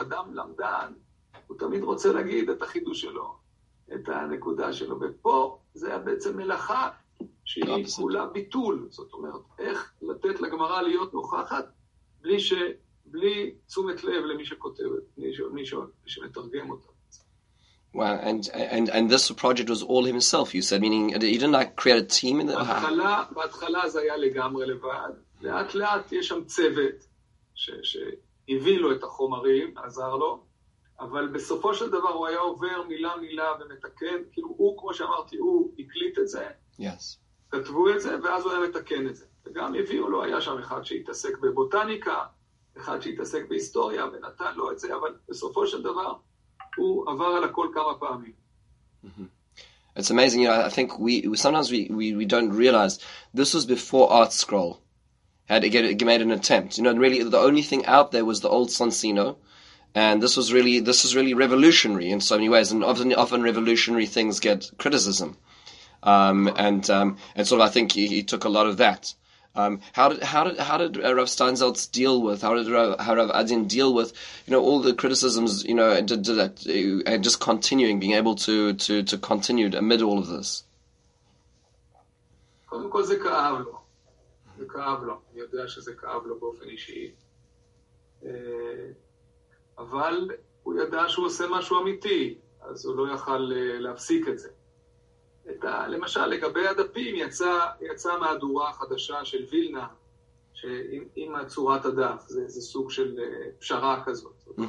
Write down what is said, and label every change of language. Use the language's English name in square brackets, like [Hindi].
[Hebrew] אדם למדן, הוא תמיד רוצה להגיד את החידוש שלו, את הנקודה שלו, ופה זה היה בעצם מלאכה שהיא כולה ביטול. זאת אומרת, איך לתת לגמרא להיות נוכחת בלי תשומת לב למי שכותב, מי שמתרגם אותה. [English] Wow, and this project was all himself, you said, meaning he didn't like create a team in the [Hebrew] בהתחלה זה היה לגמרי לבד, לאט לאט יש שם צוות שהביא לו את החומרים, עזר לו, אבל בסופו של דבר הוא היה עובר מילה מילה ומתקן, כאילו הוא, כמו שאמרתי, הוא הקליט את זה, [English] yes, [Hebrew] כתבו את זה, ואז הוא היה מתקן את זה, וגם הביאו לו, היה שם אחד שהתעסק בבוטניקה, אחד שהתעסק בהיסטוריה ונתן לו את זה, אבל בסופו של דבר הוא עבר על הכל כמה פעמים. [English] It's amazing, you know, I think we sometimes don't realize this was before Art Scroll had made an attempt. You know, and really the only thing out there was the old Sansino, and this was really revolutionary in so many ways, and often revolutionary things get criticism. And sort of I think he took a lot of that. How did Rav Steinzeltz deal with, how did Rav Adin deal with, you know, all the criticisms, you know, and just continuing, being able to continue amid all of this? [Hebrew] קודם כל זה כאב לו. זה כאב לו. אני יודע שזה כאב לו באופן אישי. אבל הוא ידע שהוא עושה משהו אמיתי, אז הוא לא יכל להפסיק את זה. למשל, לגבי הדפים, יצא מהדורה החדשה של וילנה, עם צורת הדף, זה סוג של פשרה כזאת.